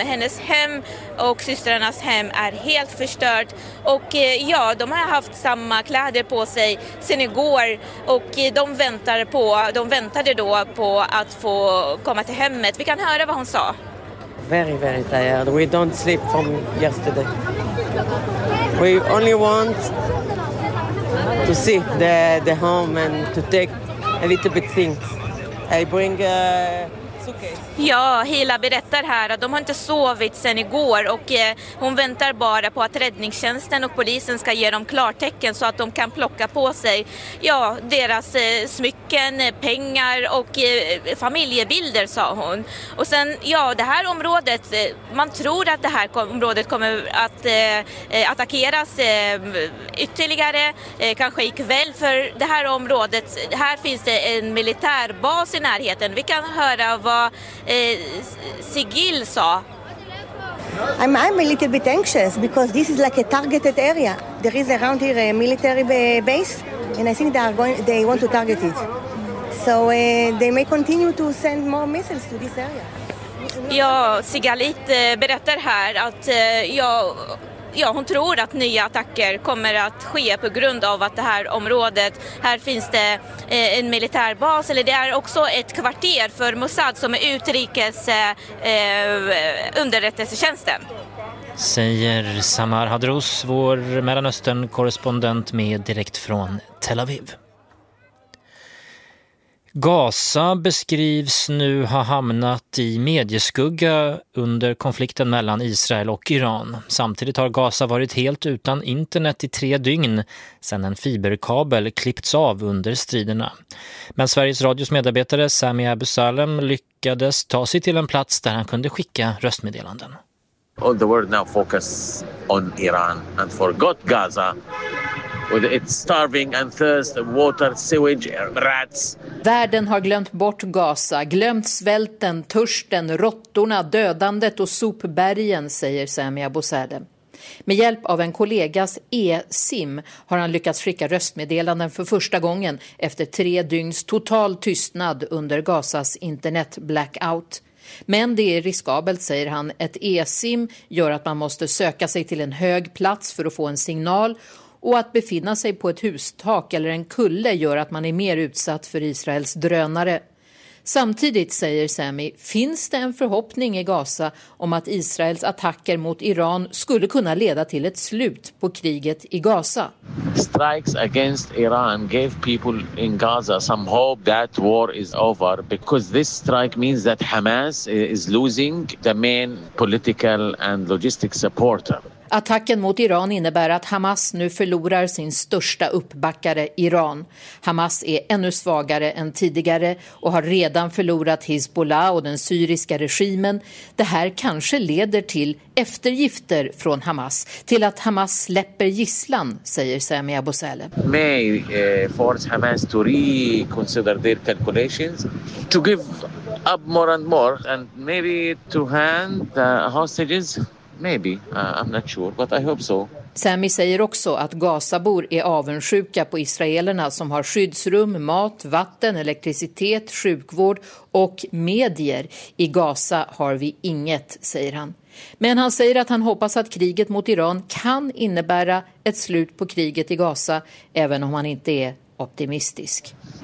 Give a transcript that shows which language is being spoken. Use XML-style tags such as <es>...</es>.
<sv>Hennes hem och systrarnas hem är helt förstört, och ja, de har haft samma kläder på sig sedan igår, och de väntade då på att få komma till hemmet. Vi kan höra vad hon sa.</sv> <en>Very, very tired. We don't sleep from yesterday. We only want to see the home and to take a little bit things. I bring a suitcase.</en> <sv>Ja, Hila berättar här att de har inte sovit sedan igår, och hon väntar bara på att räddningstjänsten och polisen ska ge dem klartecken så att de kan plocka på sig, ja, deras smycken, pengar och familjebilder, sa hon. Och sen, ja, det här området, man tror att det här området kommer att attackeras ytterligare, kanske ikväll, för det här området, här finns det en militärbas i närheten. Vi kan höra vad Sigil sa.</sv> <en>I'm a little bit anxious because this is like a targeted area. There is around here a military base, and I think they want to target it. So they may continue to send more missiles to this area.</en> <sv>Ja, Sigalit berättar här att ja, hon tror att nya attacker kommer att ske på grund av att det här området, här finns det en militärbas, eller det är också ett kvarter för Mossad som är utrikes underrättelsetjänsten. Säger Samar Hadros, vår Mellanöstern-korrespondent med direkt från Tel Aviv. Gaza beskrivs nu ha hamnat i medieskugga under konflikten mellan Israel och Iran. Samtidigt har Gaza varit helt utan internet i 3 dygn sedan en fiberkabel klippts av under striderna. Men Sveriges Radios medarbetare Sami Abu Salem lyckades ta sig till en plats där han kunde skicka röstmeddelanden.</sv> <en>All the world now focus on Iran and forgot Gaza. With its starving and thirst, water, sewage, rats.</en> <sv>Världen har glömt bort Gaza, glömt svälten, törsten, råttorna, dödandet och sopbergen, säger Sami Abu Salem. Med hjälp av en kollegas e-sim har han lyckats skicka röstmeddelanden för första gången efter 3 dygns total tystnad under Gazas internet-blackout. Men det är riskabelt, säger han. Ett e-sim gör att man måste söka sig till en hög plats för att få en signal, och att befinna sig på ett hustak eller en kulle gör att man är mer utsatt för Israels drönare. Samtidigt, säger Sami, finns det en förhoppning i Gaza om att Israels attacker mot Iran skulle kunna leda till ett slut på kriget i Gaza.</sv> <en>Strikes against Iran gave people in Gaza some hope that war is over, because this strike means that Hamas is losing the main political and logistic supporter.</en> <sv>Attacken mot Iran innebär att Hamas nu förlorar sin största uppbackare, Iran. Hamas är ännu svagare än tidigare och har redan förlorat Hezbollah och den syriska regimen. Det här kanske leder till eftergifter från Hamas, till att Hamas släpper gisslan, säger Sami Abu Salem.</sv> <en>May force Hamas to reconsider their calculations, to give up more and maybe to hand hostages. Maybe, I'm not sure, but I hope so.</en> <sv>Sami säger också att Gazabor är avundsjuka på israelerna som har skyddsrum, mat, vatten, elektricitet, sjukvård och medier. I Gaza har vi inget, säger han. Men han säger att han hoppas att kriget mot Iran kan innebära ett slut på kriget i Gaza, även om han inte är optimistisk.</sv>